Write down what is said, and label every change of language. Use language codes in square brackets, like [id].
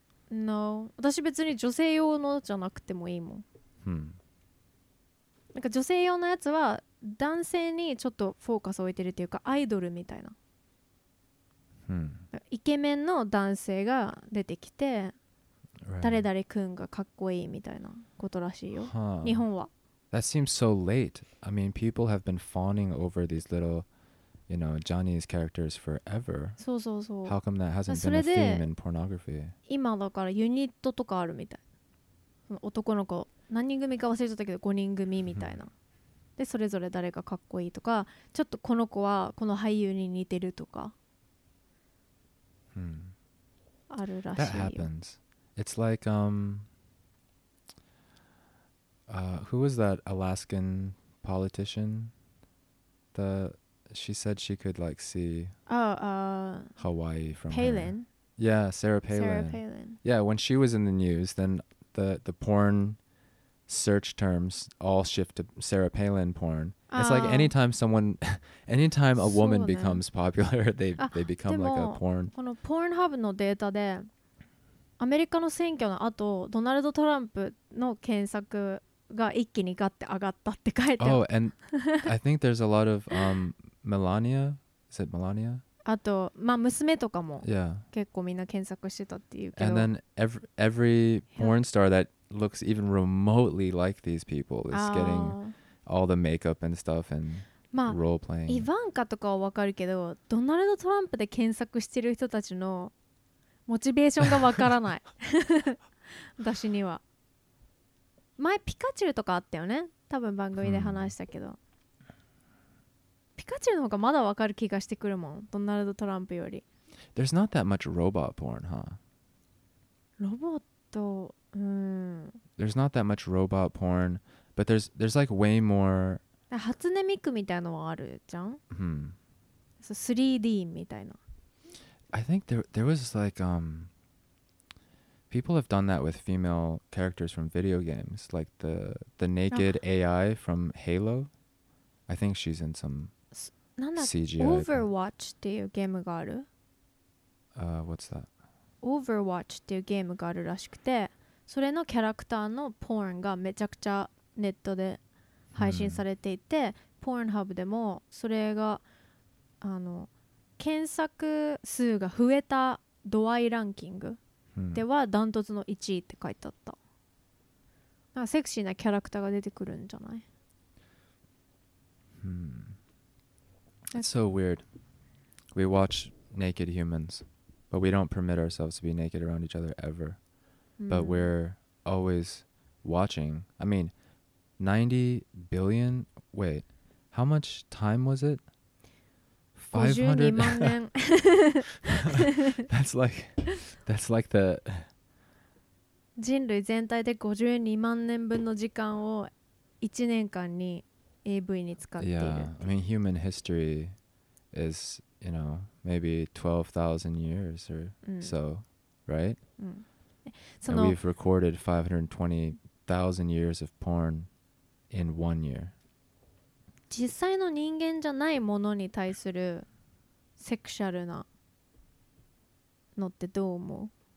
[en] No [ja] 私別に女性用のじゃなくてもいいもん、なんか女性用のやつは男性にちょっとフォーカスを置いてるっていうかアイドルみたいな、イケメンの男性が出てきて、誰々くんがかっこいいみたいなことらしいよ、日本は [en] That seems so late I mean people have been fawning over these little you know Johnny's characters forever [ja] そうそうそう [en] How come that hasn't been a theme in pornography [ja] 今だからユニットとかあるみたい男の子何人組か忘れちゃったけど5人組みたいな、でそれぞれ誰がかっこいいとかちょっとこの子はこの俳優に似てるとか、あるらしいよ [en] That happens It's like who was that Alaskan politician the she said she could like see Hawaii from Palin her. Yeah Sarah Palin Sarah Palin Yeah when she was in the news then the pornsearch terms all shift to Sarah Palin porn. It's like anytime a woman becomes popular, they become like a porn. [ja] このポーンハブのデータでアメリカの選挙の後ドナルド・トランプの検索が一気にガッて上がったって書いてある [en] Oh, and I think there's a lot of Melania. Is it Melania? [ja] あと、まあ、娘とかも結構みんな検索してたっていうけど。 [en] And then every porn star that looks even remotely like these people is getting all the makeup and stuff and、 [ja] まあ、 [en] role playing. [ja] イヴァンカとかはわかるけど、ドナルド・トランプで検索してる人たちのモチベーションがわからない。私には。前ピカチュウとかあったよね。多分番組で話したけど。 Hmm. ピカチュウの方がまだわかる気がしてくるもん、ドナルド・トランプより。 [en] There's not that much robot porn, huh? [ja] ロボット、 [en] There's not that much robot porn, but there's like way more... [ja] 初音ミクみたいなのはあるじゃん、 hmm. そう、3D みたいな。 [en] I think there was like... People have done that with female characters from video games, like the naked AI from Halo. I think she's in some... [ja] なんだっけ、CGI、Overwatch っていうゲームがある、 [en] What's that? [ja] Overwatch っていうゲームがあるらしくて、それのキャラクターのポーンがめちゃくちゃネットで配信されていて、Pornhub でもそれがあの検索数が増えた度合いランキングではダントツの1位って書いてあった。なんかセクシーなキャラクターが出てくるんじゃない？ [en] That's so weird. We watch naked humans, but we don't permit ourselves to be naked around each other ever. Mm. But we're always watching. I mean, 90 billion? Wait, how much time was it? 500? that's like the... [ja] 人類全体で52万年分の時間を1年間に AV に使っている。 [en] Yeah, I mean, human history... is, you know, maybe 12,000 years or so, right? And we've recorded 520,000 years of porn in 1 year. [ja] 実際の人間じゃないものに対するセクシャルなのってどう思う？